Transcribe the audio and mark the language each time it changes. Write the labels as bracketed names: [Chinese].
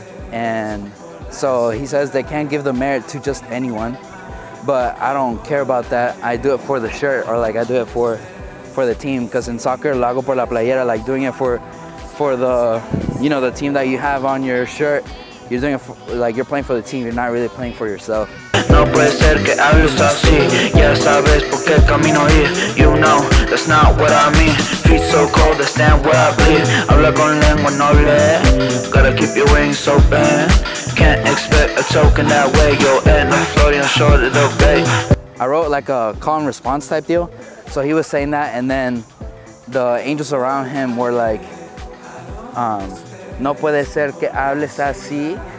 [English] And so he says they can't give the merit to just anyone, but I don't care about that. I do it for the shirt, or like I do it for the team. Cause in soccer, [Spanish] lo hago por la playera, [English] like doing it for the, you know, the team that you have on your shirt. You're doing it for, like, you're playing for the team, you're not really playing for yourself. [Spanish] No puede ser que hables así, ya sabes por qué camino ir. [English] You know, that's not what I mean. Feet so cold, that's damn what I bleed. [Spanish] Habla con lengua noble, [English] gotta keep your wings open. Can't expect a token that way, yo, and I'm floating on short of the bay. I wrote like a call and response type deal. So he was saying that, and then the angels around him were like, [Spanish] no puede ser que hables así.